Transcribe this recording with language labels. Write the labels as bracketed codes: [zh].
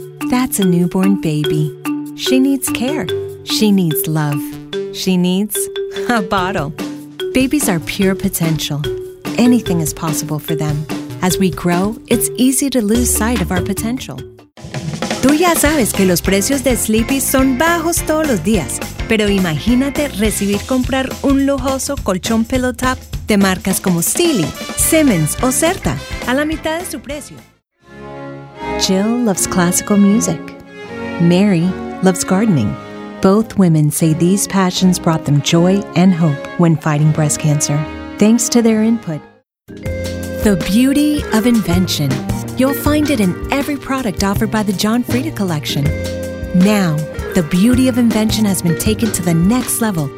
[en] That's a newborn baby. She needs care. She needs love. She needs a bottle. Babies are pure potential. Anything is possible for them. As we grow, it's easy to lose sight of our potential. [es] Tú ya sabes que los precios de Sleepy son bajos todos los días. Pero imagínate recibir comprar un lujoso colchón pillow top de marcas como Sealy, Simmons o Serta a la mitad de su precio. [en] Jill loves classical music. Mary loves gardening. Both women say these passions brought them joy and hope when fighting breast cancer. Thanks to their input. The beauty of invention. You'll find it in every product offered by the John Frieda Collection. Now, the beauty of invention has been taken to the next level